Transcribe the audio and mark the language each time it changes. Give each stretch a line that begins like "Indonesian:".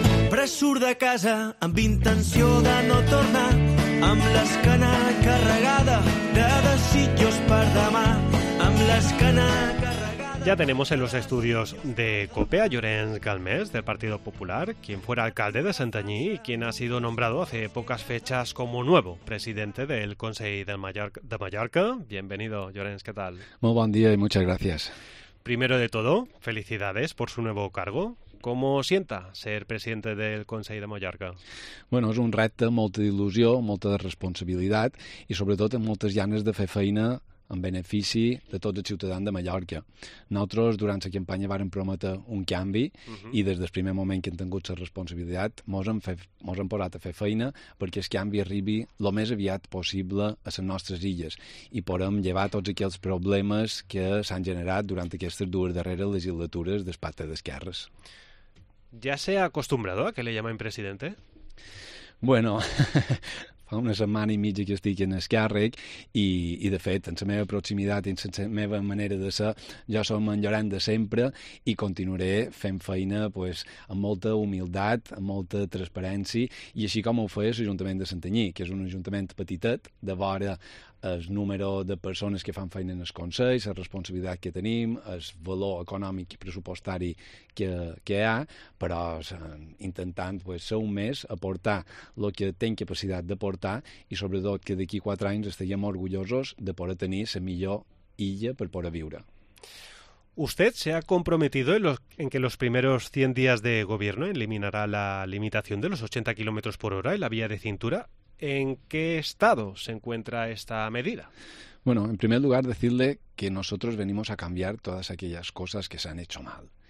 Catalan: Pressur de casa amb intenció de no tornar, amb l'esquena carregada de desitjos per demà, amb l'esquena carregada...
Spanish: Ya tenemos en los estudios de COPE a Llorenç Galmés, del Partido Popular, quien fuera alcalde de Santanyí y quien ha sido nombrado hace pocas fechas como nuevo presidente del Consell de Mallorca. Bienvenido, Llorenç, ¿qué tal? Muy buen día y muchas gracias. Primero de todo, felicidades por su nuevo cargo. ¿Cómo sienta ser presidente del Consell de Mallorca?
Catalan: Bueno, és un repte, molta il·lusió, molta responsabilitat i sobretot amb moltes ganes de fer feina en benefici de tots els ciutadans de Mallorca. Nosaltres durant la campanya vàrem prometre un canvi i des del primer moment que hem tingut la responsabilitat mos hem posat a fer feina perquè el canvi arribi el més aviat possible a les nostres illes i podem llevar tots aquells problemes que s'han generat durant aquestes dues darreres legislatures del Pacte d'Esquerres.
Spanish: ¿Ya se ha acostumbrado a que le llamen presidente?
Catalan: Bueno, fa una setmana i mitja que estic en el càrrec i de fet, en la meva proximitat i en la meva manera de ser, jo som en Llorenç de sempre i continuaré fent feina pues, amb molta humilitat, amb molta transparència i així com ho feia l'Ajuntament de Santanyí, que és un ajuntament petitet, de vora el número de persones que fan feina en el Consell, la responsabilitat que tenim, el valor econòmic i pressupostari que hi ha, però intentant pues, ser un mes, aportar el que tenc capacitat d'aportar i sobretot que d'aquí 4 anys estiguem orgullosos de poder tenir la millor illa per poder viure.
Spanish: Usted se ha comprometido en que los primeros 100 días de gobierno eliminará la limitación de los 80 kilómetros por hora en la vía de cintura. ¿En qué estado se encuentra esta medida? Bueno, en primer lugar decirle que nosotros venimos a cambiar todas aquellas cosas que se han hecho mal.